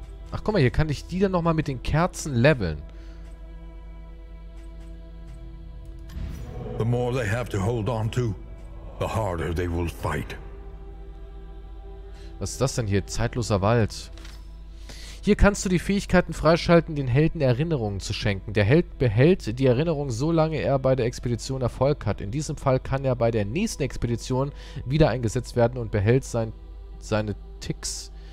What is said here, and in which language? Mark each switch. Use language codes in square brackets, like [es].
[de] Ach, guck mal, hier kann ich die dann nochmal mit den Kerzen leveln. [en] The more they have to hold on to, the harder they will fight. [de] Was ist das denn hier? Zeitloser Wald. Hier kannst du die Fähigkeiten freischalten, den Helden Erinnerungen zu schenken. Der Held behält die Erinnerung, solange er bei der Expedition Erfolg hat. In diesem Fall kann er bei der nächsten Expedition wieder eingesetzt werden und behält seine Ticks.